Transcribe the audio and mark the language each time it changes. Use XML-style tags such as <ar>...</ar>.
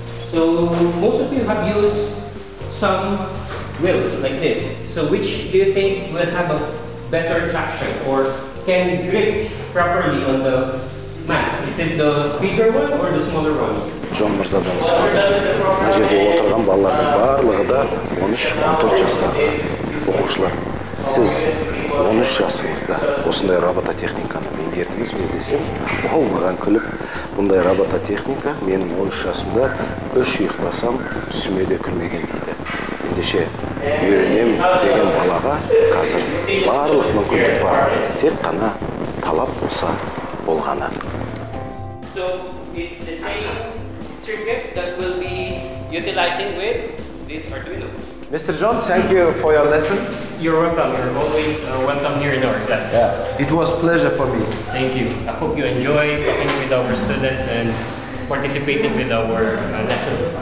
<en>So most of you have used some wheels like this. So which do you think will have a better traction or can grip properly on the mat? Is it the bigger one or the smaller one?</en> <kk>Джон Мырзадан сұрады. Мына жерде отырған балалардың барлығы да 13-14 жаста оқушылар. Сіз 13 жасыңызда осындай робототехниканы меңгердіңіз бе десем, ол маған күліп, бұндай робототехника менің 13 жасымда үш ұйықтасам түсіме де кірмеген дейді. ендеше үйренем деген балаға қазір барлық мүмкіндік бар, тек қана талап болса болғаны.</kk> <en>So it's the same circuit that we'll be utilizing with this Arduino. Mr. John, thank you for your lesson. You're welcome. You're always welcome here in our class. Yeah. It was a pleasure for me. Thank you. I hope you enjoy talking with our students and participating with our lesson.</en>